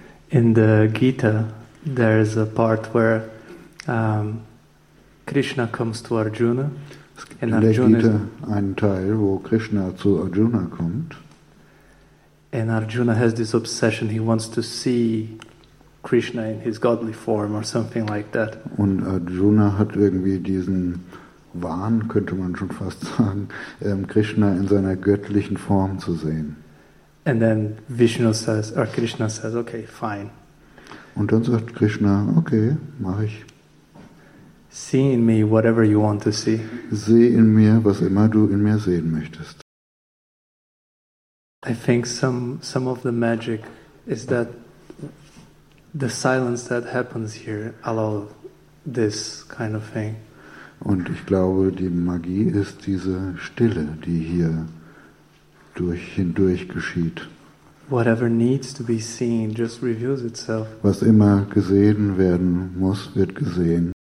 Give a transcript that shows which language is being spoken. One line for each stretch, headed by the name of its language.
English: In the Gita, there is a part where Krishna comes to Arjuna.
German: In der Gita einen Teil, wo Krishna zu Arjuna kommt.
English: And Arjuna has this obsession, he wants to see Krishna in his godly form or something like that.
German: Und Arjuna hat irgendwie diesen Wahn, könnte man schon fast sagen, Krishna in seiner göttlichen Form zu sehen.
English: And then Vishnu says, or Krishna says, okay, fine.
German: Und dann sagt Krishna, okay, mach ich.
English: See in me whatever you want to see.
German: Seh in mir, was immer du in mir sehen möchtest.
English: I think some of the magic is that the silence that happens here allows this kind of thing.
German: Und ich glaube, die Magie ist diese Stille, die hier hindurch geschieht.
English: Whatever needs to be seen just reveals itself.
German: Was immer gesehen werden muss, wird gesehen.